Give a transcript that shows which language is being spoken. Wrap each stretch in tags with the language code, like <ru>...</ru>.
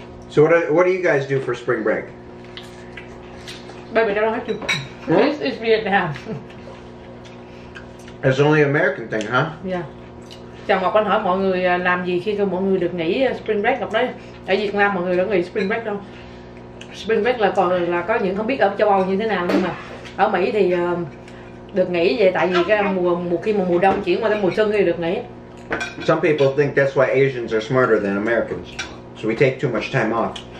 <en>So what do you guys do for spring break? Baby, I don't have to. This is Vietnam. It's only an American thing, huh? Yeah.</en> <vi>Chồng Ngọc anh hỏi mọi người làm gì khi mọi người được nghỉ spring break. Ngọc nói ở Việt Nam mọi người đã nghỉ spring break đâu. Spring break là còn là có những không biết ở châu Âu như thế nào, nhưng mà ở Mỹ thì được nghỉ vậy, tại vì cái mùa đông chuyển qua tới mùa xuân thì được nghỉ.</vi> <en>Some people think that's why Asians are smarter than Americans, so we take too much time off.</en>